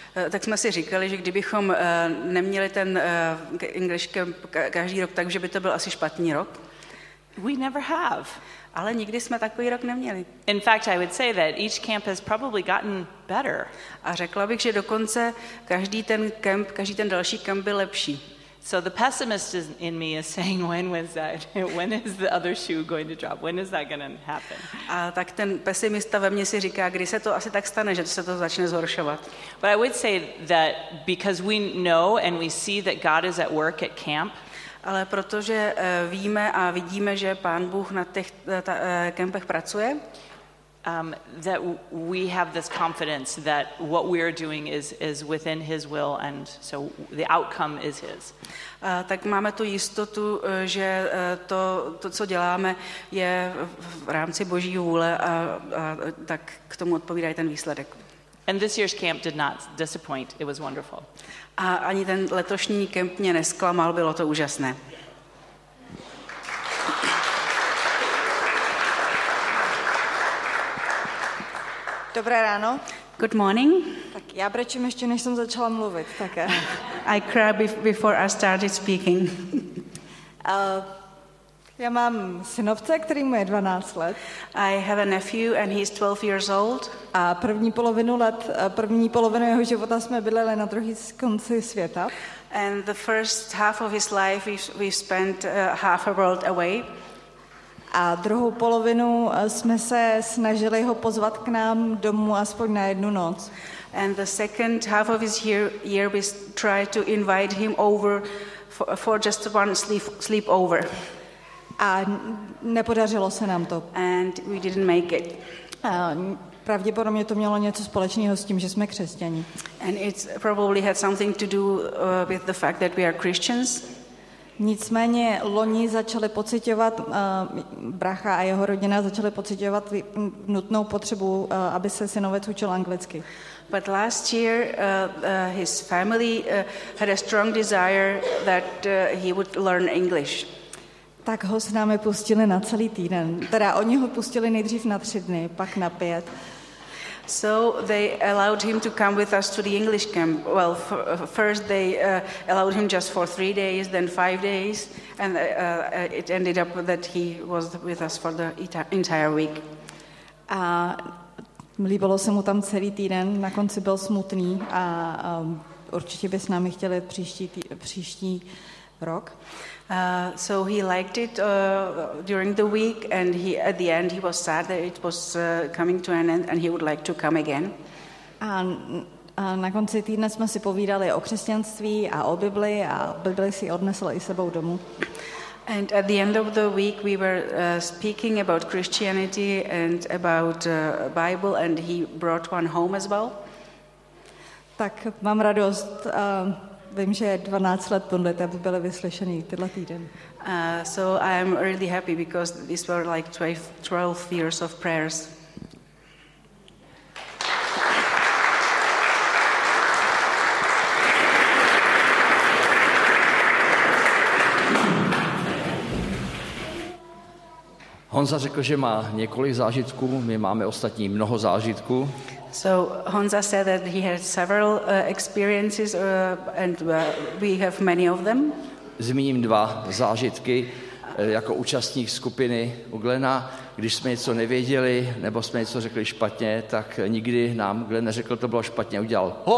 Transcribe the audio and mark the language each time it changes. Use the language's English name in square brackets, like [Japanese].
[Czech] Tak jsme si říkali, že kdybychom neměli ten English camp každý rok, takže by to byl asi špatný rok. [English] We never have. [Czech] Ale nikdy jsme takový rok neměli. [English] In fact, I would say that each camp has probably gotten better. [Czech] A řekla bych, že dokonce každý ten další kemp byl lepší. [English] So the pessimist in me is saying, when is the other shoe going to drop? When is that going to happen? [Czech] A tak ten pesimista ve mně si říká, kdy se to asi tak stane, že se to začne zhoršovat. [English] But I would say that because we know and we see that God is at work at camp. [Czech] Ale protože víme a vidíme, že Pán Bůh na těch kempech pracuje, [English] that we have this confidence that what we are doing is within his will and so the outcome is his. [Czech] Tak máme tu jistotu, že to co děláme je v rámci Boží vůle a tak k tomu odpovídá ten výsledek. [English] And this year's camp did not disappoint. It was wonderful. [Czech] A ani ten letošní kemp mě nesklamal, bylo to úžasné. Dobré ráno. [English] Good morning. [Czech] Tak já brečím ještě, než jsem začala mluvit, tak. [English] I cry before I started speaking. [Czech] Já mám synovce, který mu je 12 let. [English] I have a nephew and he's 12 years old. [Czech] A první polovinu jeho života jsme bydleli na druhý konci světa. [English] And the first half of his life we've spent half a world away. [Czech] A druhou polovinu jsme se snažili ho pozvat k nám domů aspoň na jednu noc. [English] And the second half of his year we tried to invite him over for just one sleepover. [Czech] A nepodařilo se nám to. [English] And we didn't make it. [Czech] Pravděpodobně to mělo něco společného s tím, že jsme křesťani. [English] And it's probably had something to do with the fact that we are Christians. [Czech] Nicméně loni začali pociťovat, bracha a jeho rodina začali pociťovat nutnou potřebu, aby se synovec učil anglicky. [English] But last year his family had a strong desire that he would learn English. [Czech] Tak ho s námi pustili na celý týden. Teda oni ho pustili nejdřív na 3 dny, pak na 5. [English] So they allowed him to come with us to the English camp. Well, first they allowed him just for 3 days, then 5 days, and it ended up that he was with us for the entire week. [Czech] A líbilo se mu tam celý týden, na konci byl smutný a určitě by s námi chtěli příští rok. [English] So he liked it during the week, and he at the end he was sad that it was coming to an end, and he would like to come again. [Czech] A na konci týdne jsme si povídali o křesťanství a o Bibli, a Bibli si odnesl i sebou domů. [English] And at the end of the week we were speaking about Christianity and about Bible, and he brought one home as well. [Czech] Tak mám radost. Vím, že 12 let modlit, aby byly vyslyšený tyhle týden. [English] So I am really happy because these were like 12 years of prayers. [Czech] Honza řekl, že má několik zážitků, my máme ostatní mnoho zážitků. [English] So Honza said that he had several experiences and we have many of them. [Czech] Zmíním dva zážitky jako účastník skupiny u Glena. Když jsme něco nevěděli nebo jsme něco řekli špatně, tak nikdy nám Glen neřekl, to bylo špatně, udělal.